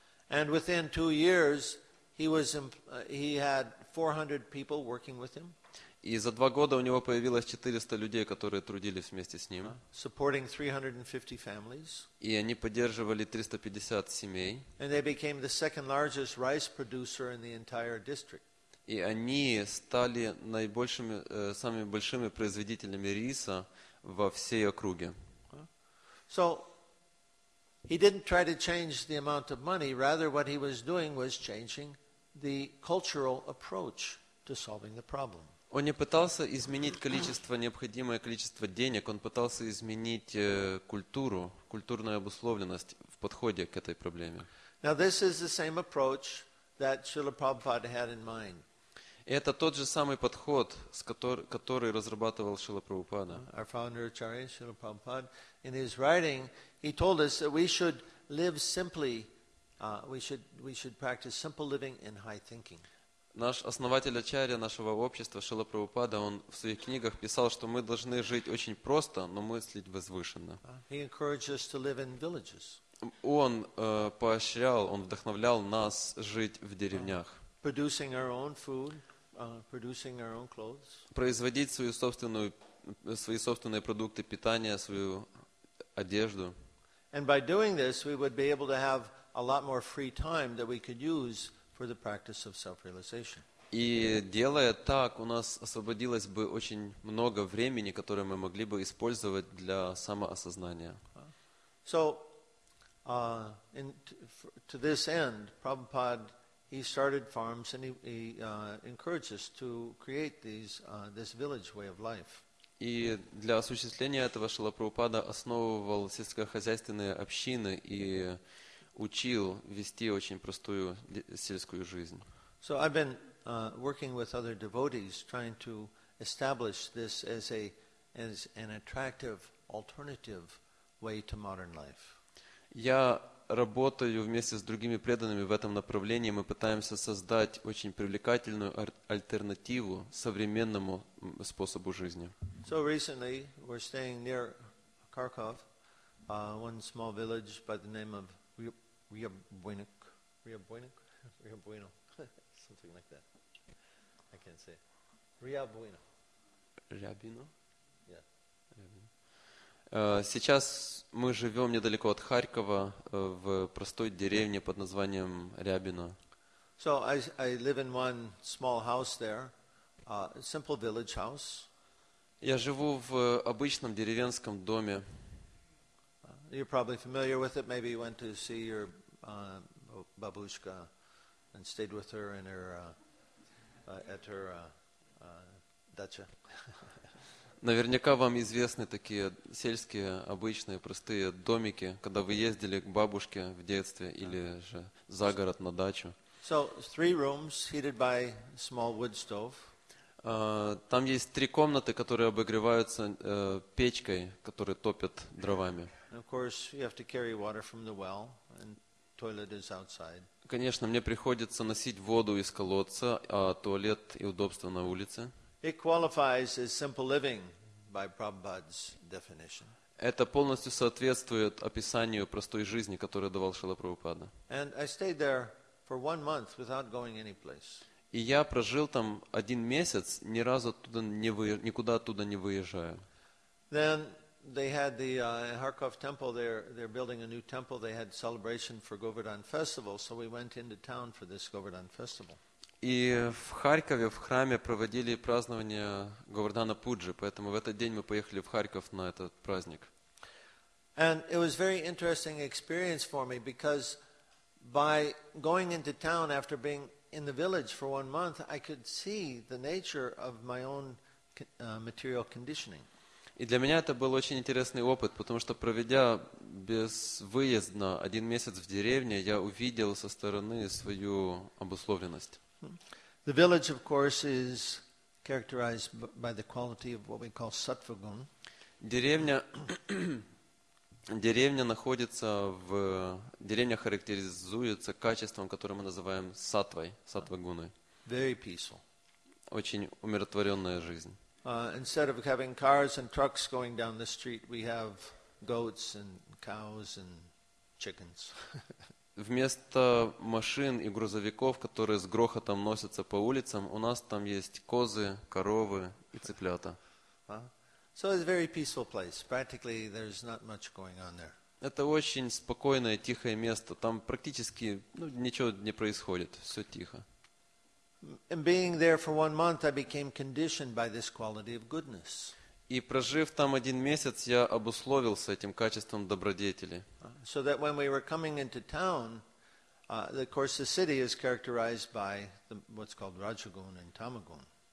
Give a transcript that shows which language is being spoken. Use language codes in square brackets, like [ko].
[en] And within 2 years he was he had 400 people working with him. [ru] И за 2 года у него появилось 400 людей, которые трудились вместе с ним. [en] Supporting 350 families. [ru] И они поддерживали 350 семей. [en] And they became the second largest rice producer in the entire district. [ru] И они стали наибольшими, самыми большими производителями риса во всей округе. [en] So, he didn't try to change the amount of money. Rather, what he was doing was changing the cultural approach to solving the problem. [ru] Он не пытался изменить количество, необходимое количество денег. Он пытался изменить культуру, культурную обусловленность в подходе к этой проблеме. [en] Now, this is the same approach that Srila Prabhupada had in mind. [ru] И это тот же самый подход, который разрабатывал Шрила Прабхупада. [en] Our founder Acharya Srila Prabhupada, in his writing, he told us that we should live simply, we should practice simple living and high thinking. [ru] Наш основатель Ачарья нашего общества Шрила Прабхупада, он в своих книгах писал, что мы должны жить очень просто, но мыслить возвышенно. [en] He encouraged us to live in villages. [ru] Он поощрял, он вдохновлял нас жить в деревнях. [en] Producing our own food, producing our own clothes. [ru] Производить свои собственные продукты питания, свою одежду. [en] And by doing this, we would be able to have a lot more free time that we could use for the practice of self-realization. [ru] И делая так, у нас освободилось бы очень много времени, которое мы могли бы использовать для самоосознания. [en] So, to this end, Prabhupada, he started farms and he encouraged us to create this village way of life. [ru] И для осуществления этого Шрила Прабхупада основывал сельскохозяйственные общины и учил вести очень простую сельскую жизнь. [en] So I've been working with other devotees trying to establish this as an attractive alternative way to modern life. [ru] Я работаю вместе с другими преданными в этом направлении, мы пытаемся создать очень привлекательную альтернативу современному способу жизни. [en] So recently we're staying near Kharkov, one small village by the name of Ryabuino, something like that. I can't say. Ryabuino. [ru] Рябино? [en] Yeah. [ru] Сейчас мы живем недалеко от Харькова, в простой деревне под названием Рябино. [en] So I live in one small house there, a simple village house. [ru] Я живу в обычном деревенском доме. [en] You're probably familiar with it. Maybe you went to see your бабушка and stayed with her in her at her dacha. [ru] Наверняка вам известны такие сельские, обычные, простые домики, когда вы ездили к бабушке в детстве или же за город на дачу. [en] So, three rooms heated by small wood stove. [ru] Там есть 3 комнаты, которые обогреваются печкой, которые топят дровами. [en] And of course, you have to carry water from the well, and toilet is outside. [ru] Конечно, мне приходится носить воду из колодца, а туалет и удобства на улице. [en] It qualifies as simple living by Prabhupada's definition. [ru] Это полностью соответствует описанию простой жизни, которую давал Шрила Прабхупада. [en] And I stayed there for 1 month without going any place. [ru] И я прожил там 1 месяц, ни разу никуда оттуда не выезжая. [en] Then they had the Kharkov temple there. They're building a new temple. They had celebration for Govardhan festival, so we went into town for this Govardhan festival. [ru] И в Харькове в храме проводили празднование Говардхана Пуджи, поэтому в этот день мы поехали в Харьков на этот праздник. [en] And it was very interesting experience for me because by going into town after being in the village for 1 month, I could see the nature of my own material conditioning. [ru] И для меня это был очень интересный опыт, потому что проведя без выезда 1 месяц в деревне, я увидел со стороны свою обусловленность. [en] The village, of course, is characterized by the quality of what we call sattvagun. [ru] Деревня характеризуется качеством, которое мы называем саттвой, саттвагуной. [en] Very peaceful. [ru] Очень умиротворенная жизнь. [en] Instead of having cars and trucks going down the street, we have goats and cows and chickens. [ru] Вместо машин и грузовиков, которые с грохотом носятся по улицам, у нас там есть козы, коровы и цыплята. [en] So it's a very peaceful place. Practically, there's not much going on there. [ru] Это очень спокойное, тихое место. Там практически ничего не происходит. Все тихо. [en] And being there for 1 month, I became conditioned by this quality of goodness. [ru] И прожив там 1 месяц, я обусловился этим качеством добродетели. [en] So that when we were coming into town, of course, the city is characterized by what's called rajagun and tamagun.